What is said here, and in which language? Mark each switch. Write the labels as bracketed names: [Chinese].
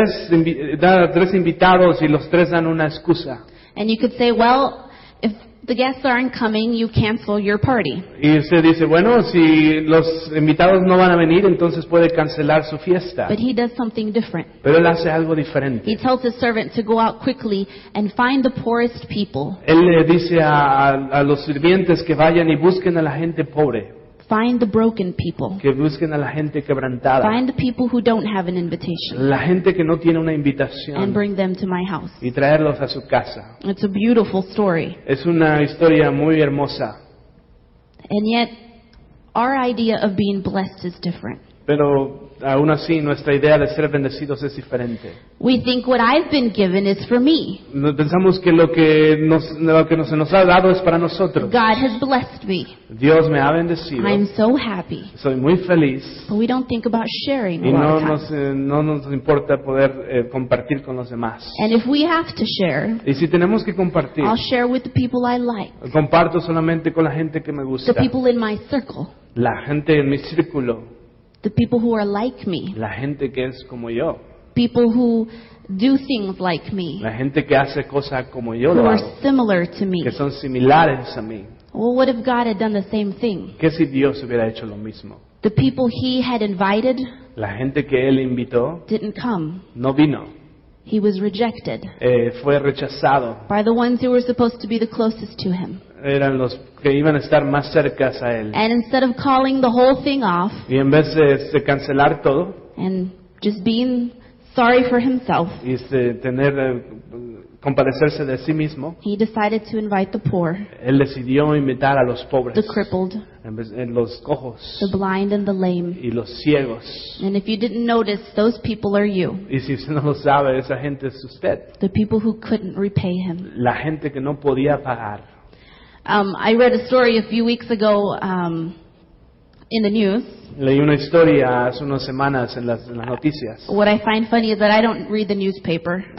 [Spanish] Invita a tres invitados y los tres dan una excusa. [English] And you could say, well, the guests aren't coming, you cancel your party. [Spanish] Y usted dice, bueno, si los invitados no van a venir, entonces puede cancelar su fiesta. [English] But he does something different. [Spanish] Pero él hace algo diferente. [English] He tells his servant to go out quickly and find the poorest people. [Spanish] Él le dice a los sirvientes que vayan y busquen a la gente pobre. [English] Find the broken people. [Spanish] Que busquen a la gente quebrantada. [English] Find the people who don't have an invitation. [Spanish] La gente que no tiene una invitación. [English] And bring them to my house. [Spanish] Y traerlos a su casa. [English] It's a beautiful story. [Spanish] Es una historia muy hermosa. [English] And yet, our idea of being blessed is different. [Spanish] Pero aún así, nuestra idea de ser bendecidos es diferente. [English] We think what I've been given is for me. [Spanish] Pensamos que lo que se nos ha dado es para nosotros. [English] God has blessed me. [Spanish] Dios me ha bendecido. [English] I'm so happy. [Spanish] Soy muy feliz. [English] But we don't think about sharing. [Spanish] Y no nos importa poder compartir con los demás. [English] And if we have to share, [Spanish] y si tenemos que compartir, [English] I'll share with the people I like. [Spanish] Comparto solamente con la gente que me gusta. [English] The people in my circle. [Spanish] La gente en mi círculo. [English] The people who are like me. [Spanish] La gente que es como yo. [English] People who do things like me. [Spanish] La gente que hace cosas como yo. [English] Who are similar to me. [Spanish] Que son similares a mí. [English] Well, what if God had done the same thing? [Spanish] ¿Qué si Dios hubiera hecho lo mismo? [English] The people he had invited. [Spanish] La gente que él invitó. [English] Didn't come. [Spanish] No vino. [English] He was rejected. [Spanish] Fue rechazado. [English] By the ones who were supposed to be the closest to him. [Spanish] Eran los que iban a estar más cerca a él. [English] And instead of calling the whole thing off, [Spanish] y en vez de cancelar todo, [English] and just being sorry for himself, [Spanish] y compadecerse de sí mismo, [English] he decided to invite the poor, [Spanish] él decidió invitar a los pobres, [English] the crippled, [Spanish] los cojos, [English] the blind and the lame, [Spanish] y los ciegos. [English] And if you didn't notice, those people are you. [Spanish] Y si usted no lo sabe, esa gente es usted. [English] The people who couldn't repay him. [Spanish] La gente que no podía pagar. [English] I read a story a few weeks ago in the news. [Spanish] Leí una historia hace unas semanas en las noticias. [English] What I find funny is that I don't read the newspaper.